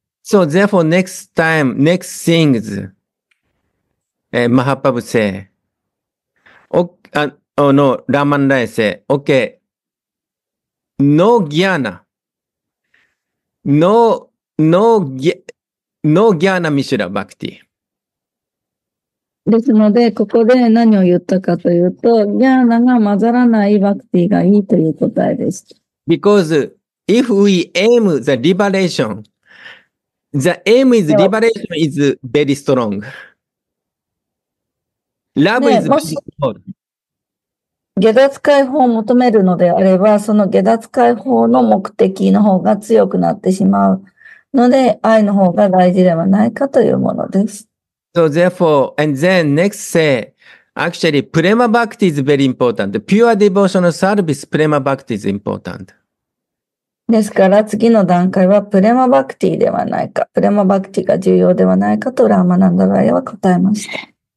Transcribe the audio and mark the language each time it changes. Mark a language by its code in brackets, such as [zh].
[en] So therefore next time, next things,、Mahaprabhu say, no, Raman Rai say, okay, no jnana, no jnana Mishra Bhakti. [ja] ですので、ここで何を言ったかというと、ジャーナが混ざらないバクティがいいという答えです。 [en] Because if we aim the liberation,The aim is liberation is very strong. Love is beautiful. [ja] 下脱解放を求めるのであれば、その下脱解放の目的の方が強くなってしまうので、愛の方が大事ではないかというものです。 [en] So therefore, and then next say, actually, prema bhakti is very important. Pure devotional service, prema bhakti is important. [ja] ですから次の段階はプレマバクティではないか、プレマバクティが重要ではないかとラーマナンダラヤは答えました。